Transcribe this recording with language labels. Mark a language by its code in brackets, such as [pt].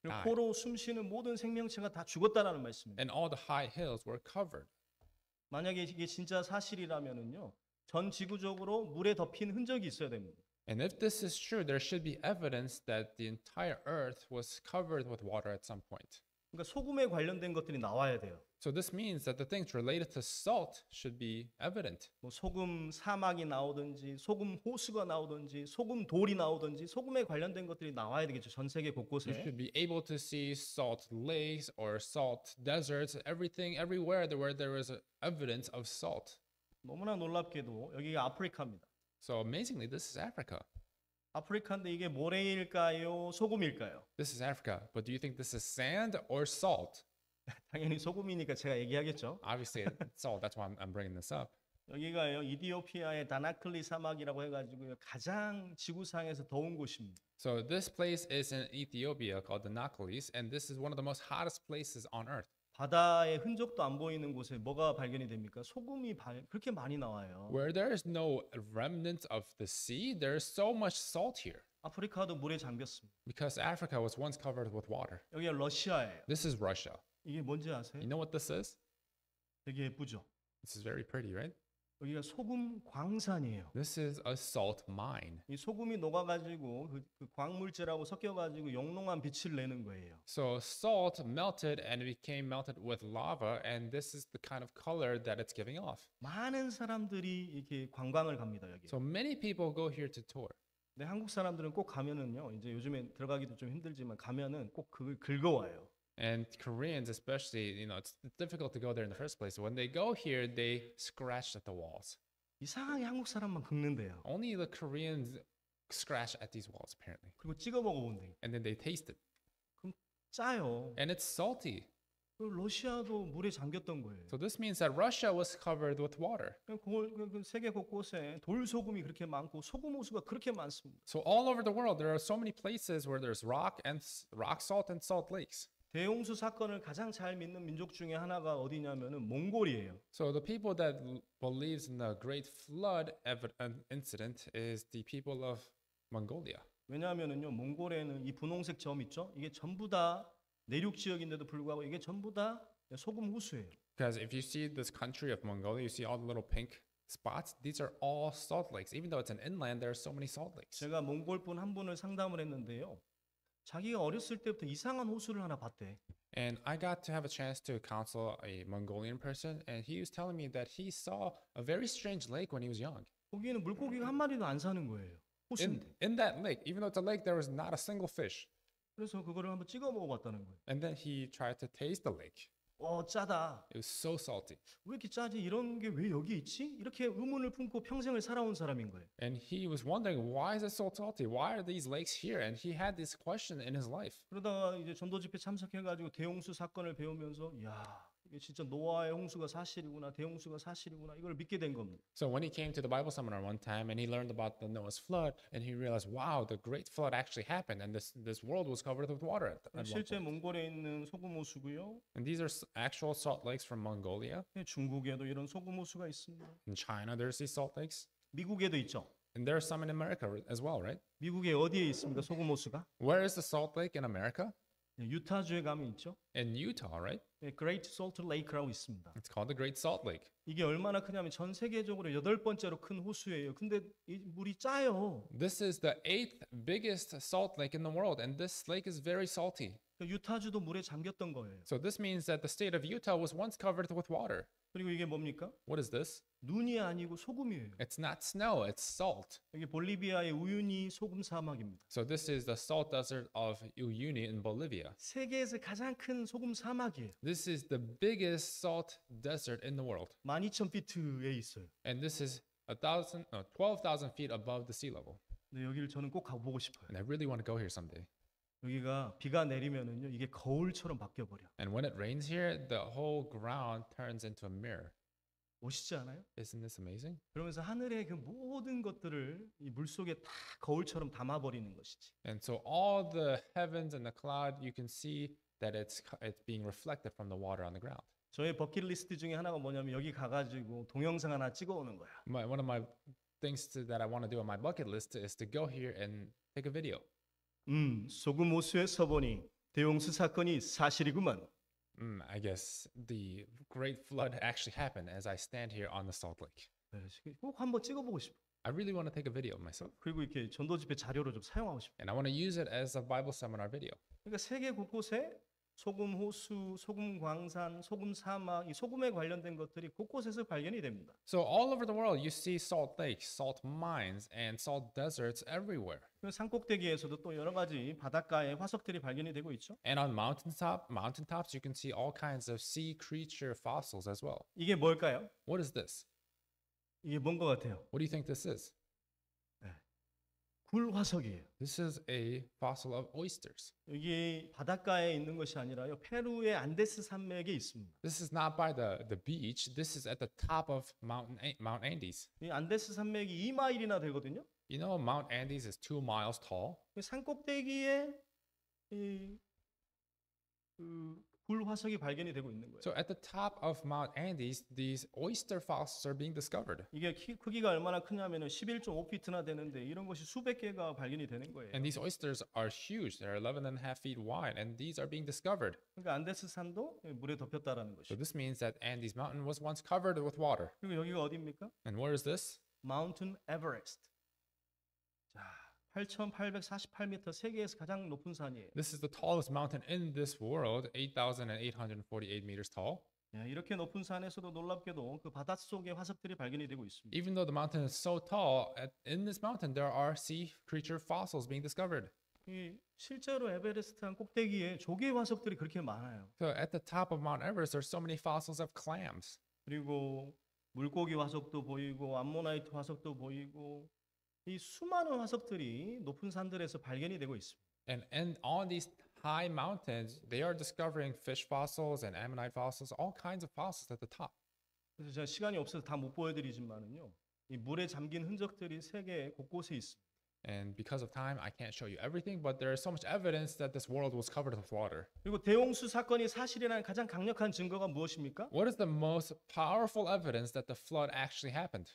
[ko] 코로 숨쉬는 모든 생명체가 다 죽었다라는 말씀입니다. [en] And all the high hills were covered. [ko] 만약에 이게 진짜 사실이라면은요, 전 지구적으로 물에 덮인 흔적이 있어야 됩니다. [en] And if this is true, there should be evidence that the entire earth was covered with water at some point. [ko] 그러니까 소금에 관련된 것들이 나와야 돼요. [en] So this means that the things related to salt should be evident. [ko] 뭐 소금 사막이 나오든지 소금 호수가 나오든지 소금 돌이 나오든지 소금에 관련된 것들이 나와야 되겠죠. 전 세계 곳곳에. [en] You should be able to see salt lakes or salt deserts, everything everywhere where there is evidence of salt. [ko] 너무나 놀랍게도 여기가 아프리카입니다. [en] So amazingly this is Africa. [ko] 아프리카인데 이게 모래일까요? 소금일까요? [en] This is Africa, but do you think this is sand or salt? [ko] 당연히 소금이니까 제가 얘기하겠죠. [en] Obviously, salt. That's why I'm bringing this up. [ko] 여기가요, 이디오피아의 다나클리 사막이라고 해가지고 가장 지구상에서 더운 곳입니다. [en] So this place is in Ethiopia called the Nacalies, and this is one of the most hottest places on earth. [ko] 바다의 흔적도 안 보이는 곳에 뭐가 발견이 됩니까? 소금이 그렇게 많이 나와요. [en] Where there is no remnant of the sea, there is so much salt here. [ko] 아프리카도 물에 잠겼습니다. [en] Because Africa was once covered with water. [ko] 여기가 러시아예요. [en] This is Russia. [ko] 이게 뭔지 아세요? [en] You know what this is? [ko] 되게 예쁘죠? [en] This is very pretty, right? [ko] 여기가 소금 광산이에요. [en] This is a salt mine. [ko] 이 소금이 녹아가지고 그 광물질하고 섞여가지고 영롱한 빛을 내는 거예요. [en] So salt melted and became melted with lava, and this is the kind of color that it's giving off. [ko] 많은 사람들이 이렇게 관광을 갑니다 여기. [en] So many people go here to tour. [ko] 근데 한국 사람들은 꼭 가면은요, 이제 요즘에 들어가기도 좀 힘들지만 가면은 꼭 그걸 긁어와요. [en] And Koreans especially, you know, it's difficult to go there in the first place. When they go here, they scratch at the walls. [ko] 이상하게 한국 사람만 긁는데요. [en] Only the Koreans scratch at these walls, apparently. [ko] 그리고 찍어 먹어본대. [en] And then they taste it. [ko] 그럼 짜요. [en] And it's salty. [ko] 러시아도 물에 잠겼던 거예요. [en] So this means that Russia was covered with water. [ko] 그 세계 곳곳에 돌소금이 그렇게 많고 소금호수가 그렇게 많습니다. [en] So all over the world, there are so many places where there's rock and rock salt and salt lakes. [ko] 대홍수 사건을 가장 잘 믿는 민족 중에 하나가 어디냐면은 몽골이에요. [en] So the people that believes in the great flood incident is the people of Mongolia. [ko] 왜냐하면은요, 몽골에는 이 분홍색 점 있죠? 이게 전부 다 내륙 지역인데도 불구하고 이게 전부 다 소금 호수예요. [en] Because if you see this country of Mongolia, you see all the little pink spots. These are all salt lakes. Even though it's an inland, there are so many salt lakes. [ko] 제가 몽골 분 한 분을 상담을 했는데요. 자기가 어렸을 때부터 이상한 호수를 하나 봤대. [en] And I got to have a chance to counsel a Mongolian person, and he was telling me that he saw a very strange lake when he was young. [ko] 거기는 물고기가 한 마리도 안 사는 거예요. 호수인데. [en] In that lake, even though it's a lake, there was not a single fish. [ko] 그래서 그거를 한번 찍어 먹어봤다는 거예요. [en] And then he tried to taste the lake. [ko] 와, 짜다. [en] It was so salty. [ko] 왜 이렇게 짜지? 이런 게 왜 여기 있지? 이렇게 의문을 품고 평생을 살아온 사람인 거예요. [en] And he was wondering why is it so salty? Why are these lakes here? And he had this question in his life. [ko] 그러다가 이제 전도 집회 참석해가지고 대홍수 사건을 배우면서, 야, 이게 진짜 노아의 홍수가 사실이구나, 대홍수가 사실이구나, 이걸 믿게 된 겁니다. [en] So when he came to the Bible seminar one time and he learned about the Noah's flood and he realized, wow, the great flood actually happened and this world was covered with water. At [ko] 실제 몽골에 있는 소금 호수고요. [en] And these are actual salt lakes from Mongolia. [ko] 네, 중국에도 이런 소금 호수가 있습니다. [en] In China, there's these salt lakes. [ko] 미국에도 있죠. [en] And there are some in America as well, right? [ko] 미국에 어디에 있습니까, 소금 호수가? [en] Where is the salt lake in America? [ko] 유타주에 가면 있죠. [en] In Utah, right? [ko] Great Salt Lake라고 있습니다. [en] It's called the Great Salt Lake. [ko] 이게 얼마나 크냐면 전 세계적으로 여덟 번째로 큰 호수예요. 근데 이 물이 짜요. [en] This is the eighth biggest salt lake in the world, and this lake is very salty. [ko] 유타주도 물에 잠겼던 거예요. [en] So this means that the state of Utah was once covered with water. [ko] 그리고 이게 뭡니까? [en] What is this? [ko] 눈이 아니고 소금이에요. [en] It's not snow, it's salt. [ko] 이게 볼리비아의 우유니 소금 사막입니다. [en] So this is the salt desert of Uyuni in Bolivia. [ko] 세계에서 가장 큰 소금 사막이에요. [en] This is the biggest salt desert in the world. [ko] 12,000 feet에 있어요. [en] And this is 12,000 feet above the sea level. [ko] 네, 여기를 저는 꼭 가보고 싶어요. [en] And I really want to go here someday. [ko] 여기가 비가 내리면은요 이게 거울처럼 바뀌어 버려. [en] And when it rains here, the whole ground turns into a mirror. [ko] 멋있지 않아요? [en] Isn't this amazing? [ko] 그러면서 하늘의 그 모든 것들을 이 물 속에 다 거울처럼 담아 버리는 것이지. [en] And so all the heavens and the cloud, you can see that it's being reflected from the water on the ground. [ko] 저의 버킷리스트 중에 하나가 뭐냐면 여기 가가지고 동영상 하나 찍어 오는 거야. [en] One of my things that I want to do on my bucket list is to go here and take a video. [ko] 소금 호수에서 보니 대홍수 사건이 사실이구만. [en] I guess the great flood actually happened as I stand here on the salt lake. [ko] 꼭 한번 찍어보고 싶어. [en] I really want to take a video of myself. [ko] 그리고 이렇게 전도 집회 자료로 좀 사용하고 싶어. [en] And I want to use it as a Bible seminar video. [ko] 그러니까 세계 곳곳에 소금 호수, 소금 광산, 소금 사막, 이 소금에 관련된 것들이 곳곳에서 발견이 됩니다. [en] So all over the world, you see salt lakes, salt mines, and salt deserts everywhere. [ko] 산 꼭대기에서도 또 여러 가지 바닷가의 화석들이 발견이 되고 있죠. [en] And on mountaintops, you can see all kinds of sea creature fossils as well. [ko] 이게 뭘까요? [en] What is this? [ko] 이게 뭔 것 같아요? [en] What do you think this is? [ko] 굴 화석이에요. [en] This is a fossil of oysters. [ko] 여기 바닷가에 있는 것이 아니라요. 페루의 안데스 산맥에 있습니다. [en] This is not by the beach. This is at the top of Mount Andes. [ko] 이 안데스 산맥이 2마일이나 되거든요. [en] You know Mount Andes is 2 miles tall. [ko] 산꼭대기에 이 불 화석이 발견이 되고 있는 거예요. [en] So at the top of Mount Andes, these oyster fossils are being discovered. [ko] 이게 크기가 얼마나 크냐면은 11.5피트나 되는데 이런 것이 수백 개가 발견이 되는 거예요. [en] And these oysters are huge. They're 11.5 feet wide, and these are being discovered. [ko] 그러니까 안데스 산도 물에 덮였다라는 것이. [en] So this means that Andes Mountain was once covered with water. [ko] 그리고 여기가 어디입니까? [en] And where is this? [ko] Mount Everest. 자. 8,848m 세계에서 가장 높은 산이에요. [en] This is the tallest mountain in this world, 8,848 meters tall. [ko] 야, 이렇게 높은 산에서도 놀랍게도 그 바닷속에 화석들이 발견이 되고 있습니다. [en] Even though the mountain is so tall, in this mountain there are sea creature fossils being discovered. [ko] 이 실제로 에베레스트 산 꼭대기에 조개 화석들이 그렇게 많아요. [en] So at the top of Mount Everest, there are so many fossils of clams. [ko] 그리고 물고기 화석도 보이고 암모나이트 화석도 보이고. 이 수많은 화석들이 높은 산들에서 발견이 되고 있습니다. [en] And on these high mountains, they are discovering fish fossils and ammonite fossils, all kinds of fossils at the top. [ko] 그래서 제가 시간이 없어서 다 못 보여드리지만은요, 이 물에 잠긴 흔적들이 세계 곳곳에 있습니다. [en] And because of time, I can't show you everything, but there is so much evidence that this world was covered with water. [ko] 그리고 대홍수 사건이 사실이라는 가장 강력한 증거가 무엇입니까? [en] What is the most powerful evidence that the flood actually happened?